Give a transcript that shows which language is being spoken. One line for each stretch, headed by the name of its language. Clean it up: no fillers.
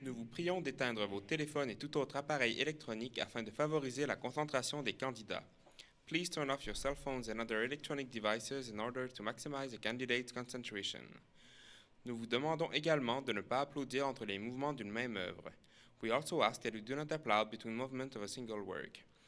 French: prions d'éteindre vos téléphones et tout autre appareil électronique afin de favoriser la concentration des candidats.
English: Please turn off your cell phones and other electronic devices in order to maximize the candidate's concentration.
French: Nous vous demandons également de ne pas applaudir entre les mouvements d'une même œuvre.
English: We also ask that you do not applaud between movements of a single work.